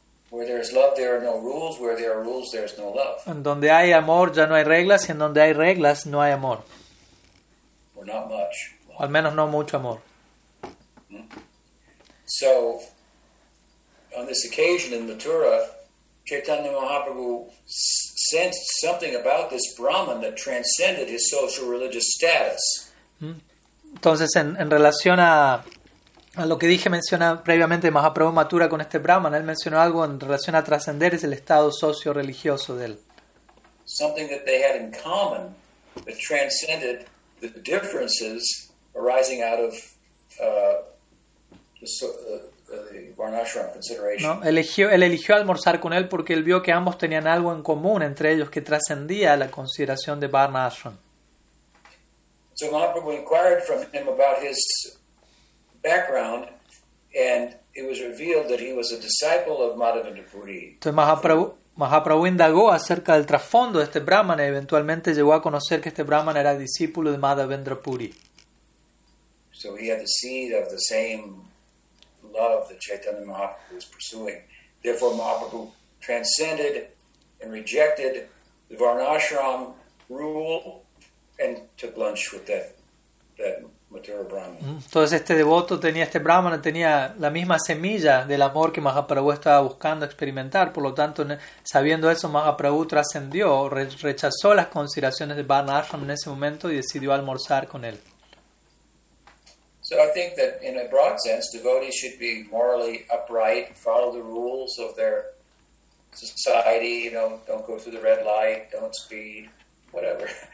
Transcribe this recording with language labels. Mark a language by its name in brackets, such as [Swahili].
[English] Where there is love, there are no rules. Where there are rules, there is no love. [Spanish] En donde hay amor, ya no hay reglas. Y en donde hay reglas, no hay amor. [English] Or not much. [Spanish] O al menos no mucho amor. [English] So, on this occasion in Mathura, Chaitanya Mahaprabhu sensed something about this Brahman that transcended his social religious status. [Spanish] Entonces, en relación a lo que dije mencionado previamente de Mahaprabhu Mathura con este Brahman, él mencionó algo en relación a trascender es el estado socio-religioso de él. [English] Something that they had in common that transcended the differences arising out of the Varnashram consideration. [Spanish] ¿No? Él eligió almorzar con él porque él vio que ambos tenían algo en común entre ellos que trascendía la consideración de Varnashram. [English] So Mahaprabhu inquired from him about his background, and it was revealed that he was a disciple of Madhavendra Puri. [Spanish] Entonces Mahaprabhu indagó acerca del trasfondo de este Brahman y eventualmente llegó a conocer que este Brahman era discípulo de Madhavendra Puri. [English] So he had the seed of the same love that Chaitanya Mahaprabhu was pursuing. Therefore Mahaprabhu transcended and rejected the Varnashram rule and took lunch with that [Spanish] Entonces este devoto tenía este Brahman tenía la misma semilla del amor que Mahaprabhu estaba buscando experimentar, por lo tanto sabiendo eso Mahaprabhu trascendió, rechazó las consideraciones de Varnashram en ese momento y decidió almorzar con él. [English] So I think that in a broad sense devotees should be morally upright, follow the rules of their society, you know, don't go through the red light, don't speed, whatever.